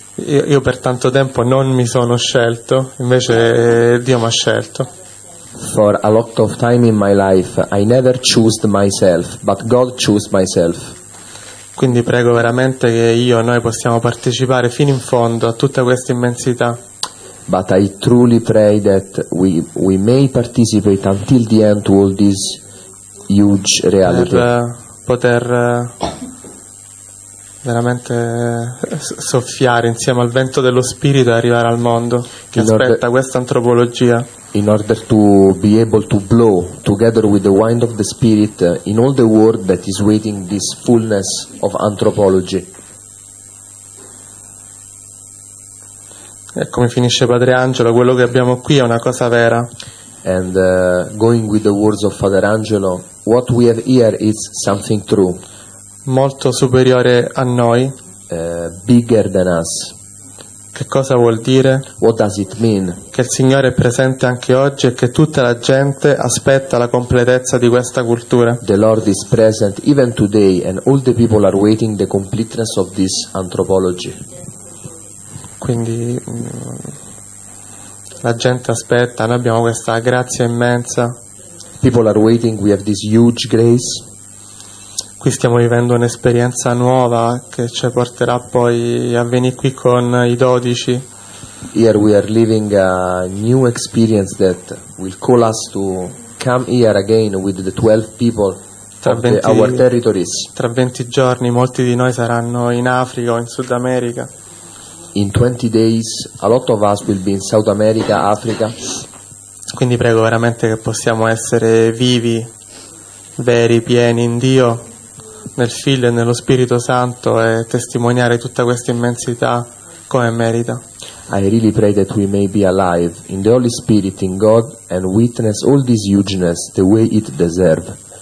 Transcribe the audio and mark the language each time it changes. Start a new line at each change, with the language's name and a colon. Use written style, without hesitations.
Italian: io per tanto tempo non mi sono scelto, invece Dio mi ha scelto.
English: For a lot of time in my life I never chose myself, but God chose myself.
Italian: Quindi prego veramente che io e noi possiamo partecipare fino in fondo a tutta questa immensità.
English: But I truly pray that we may participate until the end to all this huge reality.
Italian: Per poter veramente soffiare insieme al vento dello spirito e arrivare al mondo che aspetta questa antropologia.
English: In order to be able to blow together with the wind of the spirit in all the world that is waiting this fullness of anthropology.
Italian: E come finisce Padre Angelo, quello che abbiamo qui è una cosa vera.
English: And going with the words of Father Angelo, what we have here is something true.
Italian: Molto superiore a noi.
English: Bigger than us.
Italian: Che cosa vuol dire?
English: What does it mean?
Italian: Che il Signore è presente anche oggi e che tutta la gente aspetta la completezza di questa cultura.
English: The Lord is present even today and all the people are waiting the completeness of this anthropology.
Italian: Quindi la gente aspetta, noi abbiamo questa grazia immensa.
English: People are waiting, we have this huge grace.
Italian: Qui stiamo vivendo un'esperienza nuova che ci porterà poi a venire qui con i dodici.
English: Here we are living a new experience that will call us to come here again with the 12 people our territories.
Italian: Tra 20 giorni molti di noi saranno in Africa o in Sud America.
English: In 20 days a lot of us will be in South America, Africa.
Italian: Quindi prego veramente che possiamo essere vivi, veri, pieni in Dio, nel Figlio e nello Spirito Santo e testimoniare tutta questa immensità come merita.
English: I really pray that we may be alive in the Holy Spirit, in God, and witness all this hugeness the way it deserves.